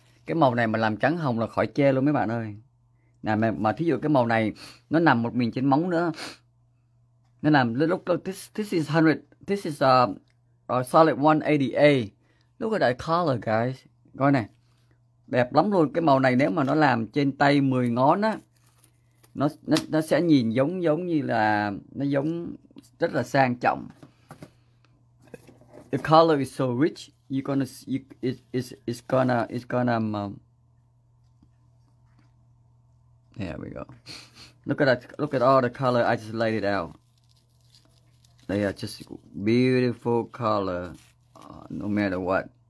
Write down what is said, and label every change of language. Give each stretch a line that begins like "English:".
Vietnamese: Cái màu này mà làm trắng hồng là khỏi chê luôn mấy bạn ơi. Nè mà thí dụ cái màu này nó nằm một mình trên móng nữa. Nó làm
English: look this is 100. This is a solid 180A. Look at that color, guys.
Vietnamese: Coi này. đẹp lắm luôn. Cái màu này nếu mà nó làm trên tay 10 ngón á, nó sẽ nhìn giống giống như là nó giống rất là sang trọng.
English: The color is so rich, it's gonna here we go. Look at all the color I just laid it out. They are just beautiful color, no matter what.